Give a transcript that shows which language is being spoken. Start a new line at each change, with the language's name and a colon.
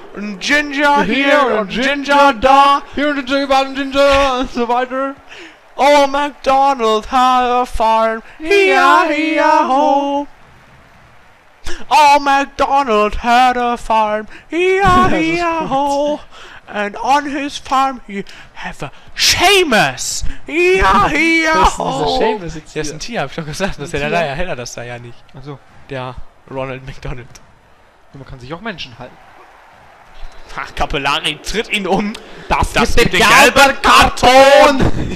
German: Und Ginger hier und Ginger da! Hier und Ginger überall Ginger und so weiter!
English: Oh, McDonald had a farm, E-I-E-I-O. Oh, McDonald had a farm, E-I-E-I-O. And on his farm he have a Seamus, E-I-E-I-O.
German: Das ist ein Seamus. Das ist ein Tier, hab ich schon gesagt. Das ist ja der Reihe, hält er das da ja nicht. Ach so. Der Ronald McDonald. Man kann sich auch Menschen halten. Ach, Capellari tritt ihn um. Das gibt den gelben Karton.